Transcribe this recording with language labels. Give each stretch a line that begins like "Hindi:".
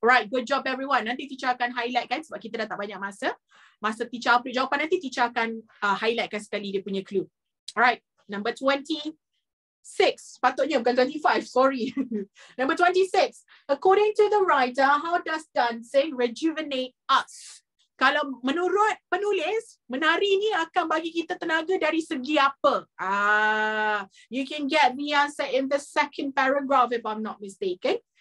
English: Alright, good job everyone.
Malay: Nanti teacher akan highlight kan sebab kita dah tak banyak masa. Masa teacher update jawapan nanti, teacher akan highlightkan sekali dia punya clue.
English: Alright, number 26.
Malay: Patutnya bukan 25,
English: sorry. Number 26. According to the writer, how does dancing rejuvenate us?
Malay: Kalau menurut penulis, menari ni akan bagi kita tenaga dari segi apa?
English: You can get the answer in the second paragraph if I'm not mistaken.